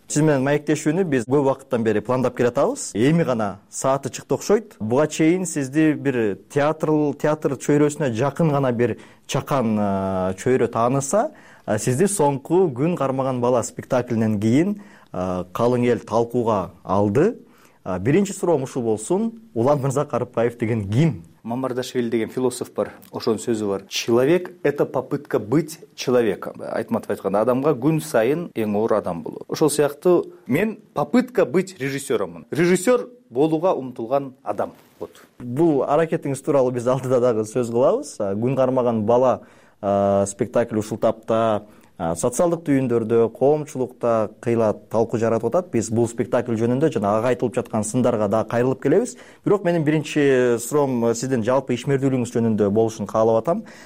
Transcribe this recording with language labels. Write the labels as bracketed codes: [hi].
[ky] Сиз менен маектешүүнү биз көп убакыттан бери пландап келе жатабыз. Эми гана сааты чыкты окшойт. Буга чейин сизди бир театр чөйрөсүнө жакын гана бир чакан чөйрө тааныса, сизди соңку Күн кармаган бала спектаклинен кийин калың эл талкууга алды. Биринчи суроом ушул болсун: Улан Мырза Карыпбаев деген ким? Мамардашвили деген философ бар, ошонун сөзү бар: [ru] человек — это попытка быть человеком. [ky] Айтматов айтканда, адамга күн сайын эң оор адам болуу. Ошол сыяктуу мен [ru] попытка быть [ky] режиссёромун, режиссёр болууга умтулган адам. Вот. Бул аракетиңиз тууралуу биз алдыда дагы сөз кылабыз. Күн кармаган бала спектакль ушул тапта социалдык түйүндөрдө, коомчулукта кыйла талкуу жаратып атат. Биз бул спектакль жөнүндө жана ага айтылып жаткан сындарга да кайрылып келебиз. Бирок менин биринчи суроом сиздин жалпы ишмердүүлүгүңүз жөнүндө болушун каалап атам.